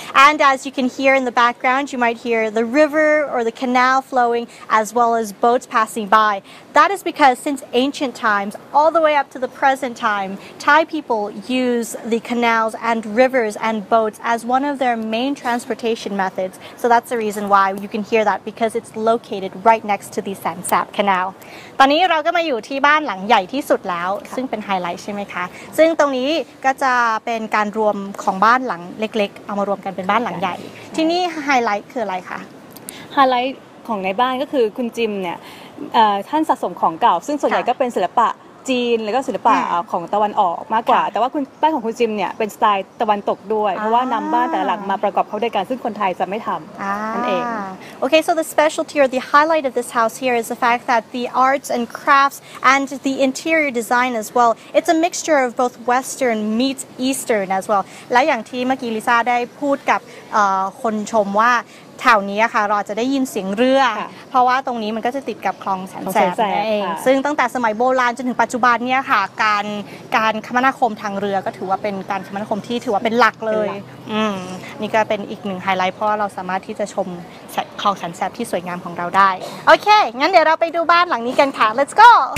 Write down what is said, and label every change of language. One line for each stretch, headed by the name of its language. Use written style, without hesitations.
English: And as you can hear in the background, you might hear the river or the canal flowing, as well as boats passing by. That is because since ancient times, all the way up to the present time, Thai people use the canals and rivers and boats as one of their main transportation methods. So that's the reason why you can hear that, because it's located right next to the San Sap Canal.
Thai: ตอนนี้เราก็มาอยู่ที่บ้านหลังใหญ่ที่สุดแล้วซึ่งเป็นไฮไลท์ใช่ไหมคะซึ่งตรงนี้ก็จะเป็นการรวมของบ้านหลังเล็กๆเอามารวมกันเป็นบ้านหลังใหญ่ที่นี่ไฮไลท์คืออะไรคะ ไฮไลท์ของในบ้านก็คือคุณจิมเนี่ยท่านสะสมของเก่าซึ่งส่วนใหญ่ก็เป็นศิลปะจีนแล้วก็ศิลปะของตะวันออกมากกว่าแต่ว่าคุณบ้านของคุณจิมเนี่ยเป็นสไตล์ตะวันตกด้วยเพราะว่านำบ้านแต่หลังมาประกอบเข้าด้วยกันซึ่งคนไทยจะไม่ทำนั่ นเอง
English: Okay, so the specialty or the highlight of this house here is the fact that the arts and crafts and the interior design as well, it's a mixture of both Western meets Eastern as well.
Thai: และอย่างที่เมื่อกี้ลิซ่าได้พูดกับคนชมว่าแถวนี้ค่ะเราจะได้ยินเสียงเรือเพราะว่าตรงนี้มันก็จะติดกับคลองแสนแสบเองซึ่งตั้งแต่สมัยโบราณจนถึงปัจจุบันเนี่ยค่ะการคมนาคมทางเรือก็ถือว่าเป็นการคมนาคมที่ถือว่าเป็นหลักเลยนี่ก็เป็นอีกหนึ่งไฮไลท์เพราะเราสามารถที่จะชมคลองแสนแสบที่สวยงามของเราได้โอเคงั้นเดี๋ยวเราไปดูบ้านหลังนี้กันค่ะ
English: let's go